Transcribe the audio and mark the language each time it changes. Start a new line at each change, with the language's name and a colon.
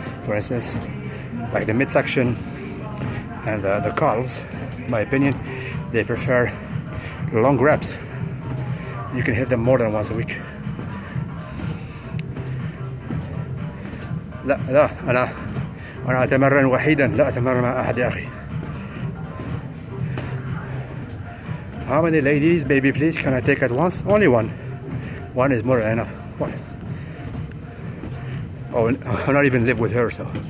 English: For instance, like the midsection and the calves, in my opinion, they prefer long reps. You can hit them more than once a week.
Arabic: لا لا أنا أتمرن وحيدا لا أتمرن مع أحد يا أخي.
English: How many ladies, baby, please, can I take at once? Only one. One is more than enough. One. Oh, I not even live with her, so.